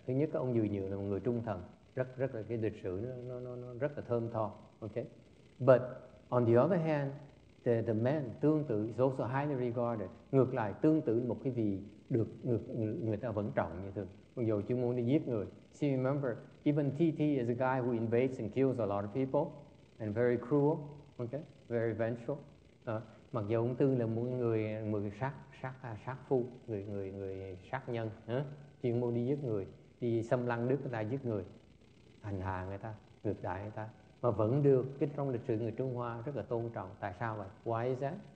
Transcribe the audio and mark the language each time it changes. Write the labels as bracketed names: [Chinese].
[Vietnamese] Thứ nhất, ông Dùi Nhựa là một người trung thần, rất là cái lịch sử nó rất là thơm tho. [English] Okay, but on the other hand, the man tương tự is also highly regarded. [Vietnamese] Ngược lại, tương tự một cái vị được người ta vẫn trọng như thường. Mặc dù chuyên môn đi giết người. [English] See, remember, even TT is a guy who invades and kills a lot of people and very cruel. Okay. Very vengeful. [Vietnamese] Mặc dù ông Tư là một người sát phu, người sát nhân, chuyên môn đi giết người, đi xâm lăng nước người ta giết người, hành hạ người ta, ngược đãi người ta, mà vẫn được cái trong lịch sử người Trung Hoa rất là tôn trọng. Tại sao vậy? [English] Why is that?